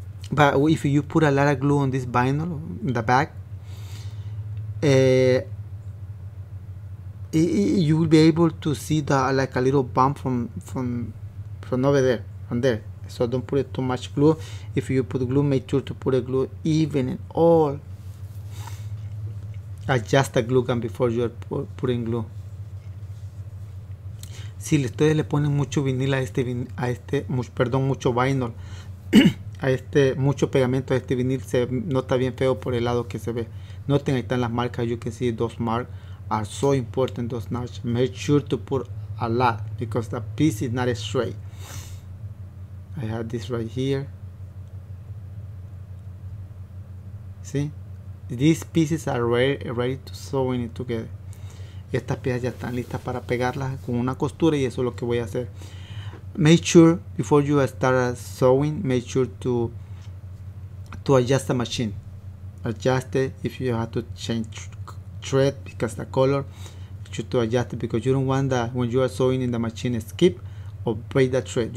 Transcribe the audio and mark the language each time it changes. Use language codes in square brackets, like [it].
[en] But if you put a lot of glue on this vinyl, in the back, you will be able to see the like a little bump from over there, from there. So don't put it too much glue. If you put glue, make sure to put a glue even and all. Adjust the glue gun before you are putting glue. [es] Si ustedes le ponen mucho vinil mucho pegamento a este vinil, se nota bien feo por el lado que se ve. Noten, ahí están las marcas. [en] You can see those marks. Are so important, those notch. Make sure to put a lot, because the piece is not straight. I have this right here. See? These pieces are ready to sew in it together. [es] Estas piezas ya están listas para pegarlas con una costura, y eso es lo que voy a hacer. [en] Make sure, before you start sewing, make sure to adjust the machine. Adjust it if you have to change thread, because the color you to adjust it, because you don't want that when you are sewing in the machine skip or break the thread.